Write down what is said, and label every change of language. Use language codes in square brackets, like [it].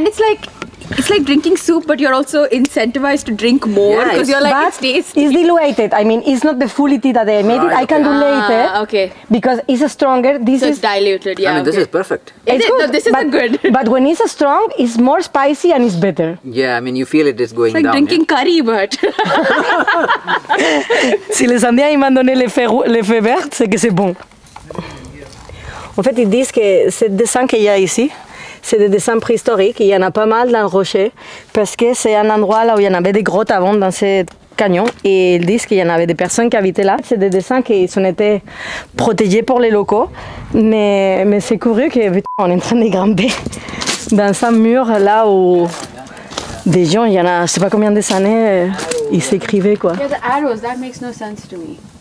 [en] And it's like drinking soup, but you're also incentivized to drink more because you're like, it's tasty. It's diluted. I mean, it's not the full tea that I made it. I can do later. Okay. Because it's a stronger. This so it's diluted, yeah. I mean, this is perfect. It's good. No, this isn't good. But when it's a strong, it's more spicy and it's better. Yeah, I mean, you feel it is going down. It's like drinking curry, but. [fr] Si les Indiens, ils m'ont donné les feux verts, c'est que c'est bon. En fait, ils disent que ces dessins qu'il y a ici, c'est des dessins préhistoriques. Il y en a pas mal dans le rocher parce que c'est un endroit là où il y en avait des grottes avant dans ce canyon. Et ils disent qu'il y en avait des personnes qui habitaient là. C'est des dessins qui ont été protégés pour les locaux. Mais c'est curieux que putain, on est en train de grimper dans un mur là où des gens, il y en a, je ne sais pas combien des années, ils s'écrivaient quoi. [en] Yeah, the arrows, that makes no sense to me.